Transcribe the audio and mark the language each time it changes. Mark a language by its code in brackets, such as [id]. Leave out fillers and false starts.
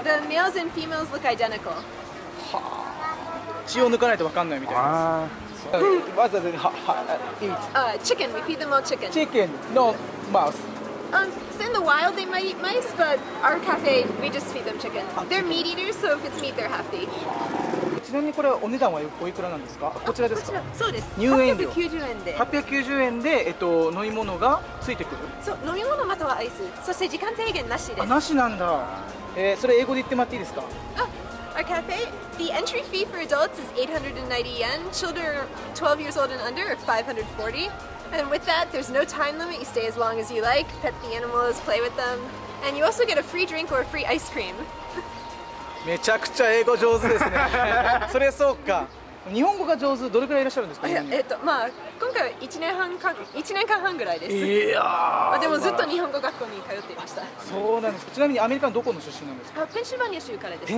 [en] The males and females look identical. はあ、 [ja] 血を抜かないとわかんないみたいです。 [en] What does it eat? Chicken. We feed them all chicken. Chicken. No mouse. In the wild, they might eat mice, but our cafe, we just feed them chicken. They're meat eaters, so if it's meat, they're happy. [ja] ちなみにこれはお値段はおいくらなんですか？こちらですか？そうです。入園料 890 円で。890円で、飲み物がついてくる。そう、飲み物またはアイス。そして時間制限なしです。なしなんだ。それ英語で言ってもらっていいですか？ [en] Our cafe, the entry fee for adults is 890 yen. Children 12 years old and under are 540. And with that, there's no time limit. You stay as long as you like, pet the animals, play with them. And you also get a free drink or a free ice cream. [ja] めちゃくちゃ英語上手ですね。それそうか。日本語が上手、どれくらいいらっしゃるんですか？まあ、今回は1年間半ぐらいです。いやー、まあ、でもずっと日本語学校に通っていました。まあ、そうなんです。ちなみにアメリカのどこの出身なんですか？ペンシルバニア州からでした。